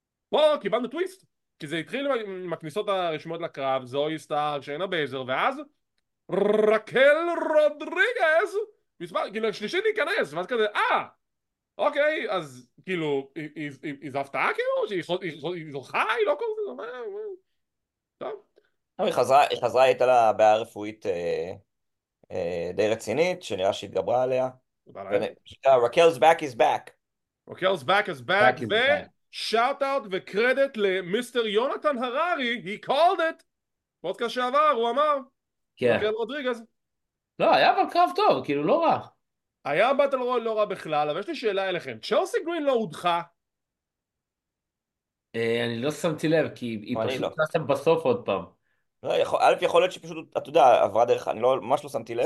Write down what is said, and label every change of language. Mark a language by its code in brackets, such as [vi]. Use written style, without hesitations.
[he] פה קיבלנו טוויסט, כי זה התחיל עם הכניסות הרשמות לקרב, זוהי סטארק, שיינה בייזר, ואז רקל רודריגז, מספר, כאילו, שלישית להיכנס, ואז כזה, אוקיי, אז כאילו, היא זפתעה כאילו? שהיא זוכה? היא לא קוראת? זאת אומרת, היא חזרה, הייתה לה בעיה רפואית די רצינית, שנראה שהתגברה עליה. [en] Raquel's back is back. Raquel's back is back. Back is back. Shout out [he] וקרדיט למיסטר יונתן הררי, [en] he called it. [he] פודקאסט שעבר, הוא אמר. כן. רקל רודריגז. לא, היה אבל קרב טוב, כאילו לא רע. היה באטל רויאל לא רע בכלל, אבל יש לי שאלה אליכם. צ'לסי גרין לא הודחה? אני לא שמתי לב, כי היא פשוט נעשתם בסוף עוד פעם. לא, יכול להיות שפשוט, אתה יודע, עברה דרך, אני ממש לא שמתי לב.